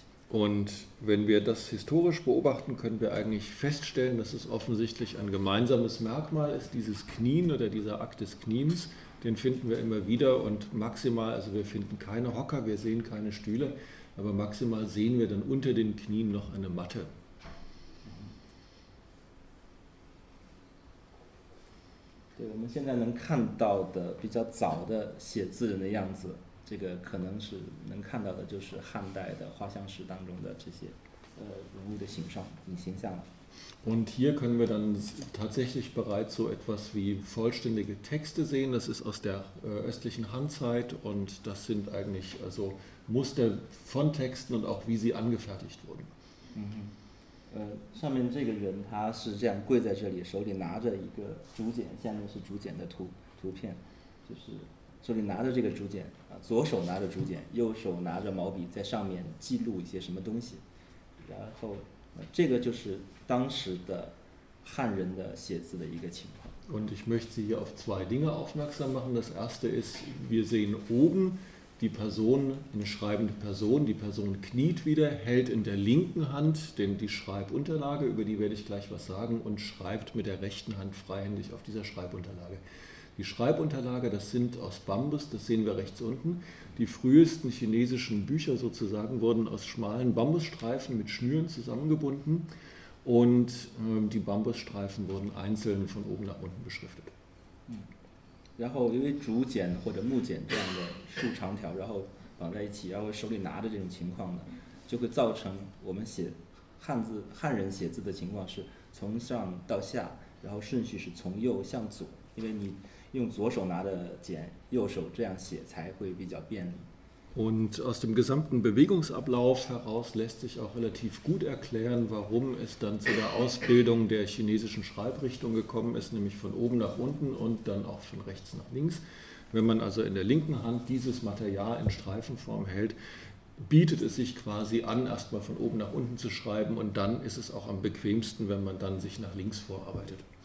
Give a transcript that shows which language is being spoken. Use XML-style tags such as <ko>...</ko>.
<de>Und wenn wir das historisch beobachten, können wir eigentlich feststellen, dass es offensichtlich ein gemeinsames Merkmal ist, dieses Knien oder dieser Akt des Kniens, den finden wir immer wieder und maximal, also wir finden keine Hocker, wir sehen keine Stühle, aber maximal sehen wir dann unter den Knien noch eine Matte.</de> <zh>对，我们现在能看到的比较早的写字人的样子，这个可能是能看到的，就是汉代的画像石当中的这些，人物的形象了。</zh> <de>Und hier können wir dann tatsächlich bereits so etwas wie vollständige Texte sehen. Das ist aus der östlichen Han-Zeit und das sind eigentlich also Muster von Texten und auch wie sie angefertigt wurden.</de> <zh>上面这个人他是这样跪在这里，手里拿着一个竹简，下面是竹简的图片，就是手里拿着这个竹简，左手拿着竹简，右手拿着毛笔，在上面记录一些什么东西。然后这个就是当时的汉人的写字的一个情况。</zh> <de>Und ich möchte Sie hier auf zwei Dinge aufmerksam machen. Das erste ist, wir sehen oben die Person, eine schreibende Person, die Person kniet wieder, hält in der linken Hand die Schreibunterlage, über die werde ich gleich was sagen, und schreibt mit der rechten Hand freihändig auf dieser Schreibunterlage. Die Schreibunterlage, das sind aus Bambus, das sehen wir rechts unten. Die frühesten chinesischen Bücher sozusagen wurden aus schmalen Bambusstreifen mit Schnüren zusammengebunden und die Bambusstreifen wurden einzeln von oben nach unten beschriftet.</de> <zh>然后因为竹简或者木简这样的竖长条，然后绑在一起，然后手里拿着这种情况呢，就会造成我们写汉人写字的情况是从上到下，然后顺序是从右向左，因为你用左手拿的剪，右手这样写才会比较便利。</zh> <de>Und aus dem gesamten Bewegungsablauf heraus lässt sich auch relativ gut erklären, warum es dann zu der Ausbildung der chinesischen Schreibrichtung gekommen ist, nämlich von oben nach unten und dann auch von rechts nach links. Wenn man also in der linken Hand dieses Material in Streifenform hält, bietet es sich quasi an, erstmal von oben nach unten zu schreiben und dann ist es auch am bequemsten, wenn man dann sich nach links vorarbeitet.</de>